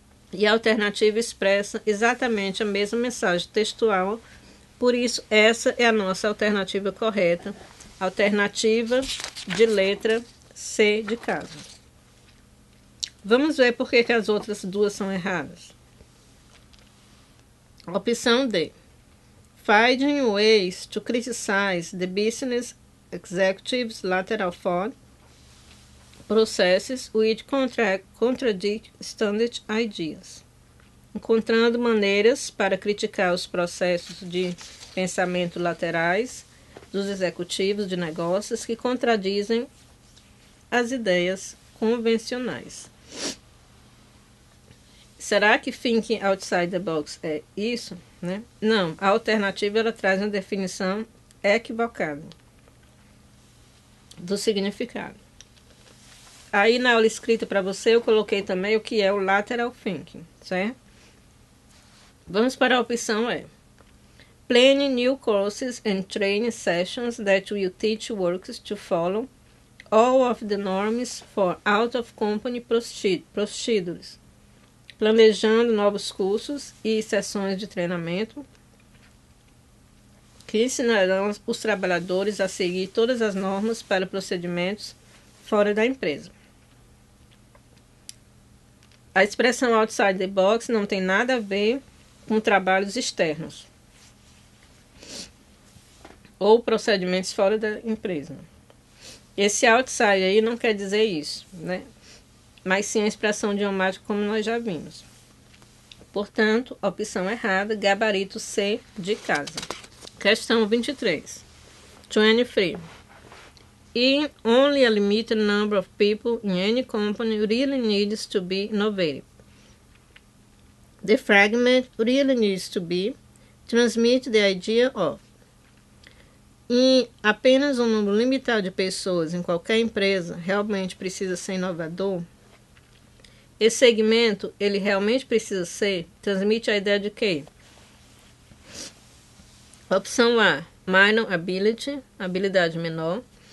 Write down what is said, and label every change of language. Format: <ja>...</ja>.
<pt>E a alternativa expressa exatamente a mesma mensagem textual, por isso essa é a nossa alternativa correta, alternativa de letra C de casa. Vamos ver por que as outras duas são erradas. Opção D.</pt> <en>Finding ways to criticize the business executive's lateral thought processes which contradict standard ideas.</en> <pt>Encontrando maneiras para criticar os processos de pensamento laterais dos executivos de negócios que contradizem as ideias convencionais. Será que</pt> <en>thinking outside the box</en> <pt>é isso? Né? Não, a alternativa ela traz uma definição equivocada. do significado. Aí na aula escrita para você, eu coloquei também o que é o lateral thinking, certo? Vamos para a opção E.</pt> <en>Plan new courses and training sessions that will teach workers to follow all of the norms for out-of-company procedures.</en> <pt>Planejando novos cursos e sessões de treinamento que ensinarão os trabalhadores a seguir todas as normas para procedimentos fora da empresa. A expressão</pt> <en>outside the box</en> <pt>não tem nada a ver com trabalhos externos ou procedimentos fora da empresa. Esse outside aí não quer dizer isso, né? Mas sim a expressão idiomática, como nós já vimos. Portanto, opção errada, gabarito C de casa. Questão 23. 23.</pt> <en>In only a limited number of people in any company really needs to be innovative. The fragment really needs to be transmit the idea of.</en> <pt>Em apenas um número limitado de pessoas em qualquer empresa realmente precisa ser inovador? Esse segmento, ele realmente precisa ser, transmite a ideia de quê? Opção A,</pt> <en>minor ability,</en> <pt>habilidade menor.</pt>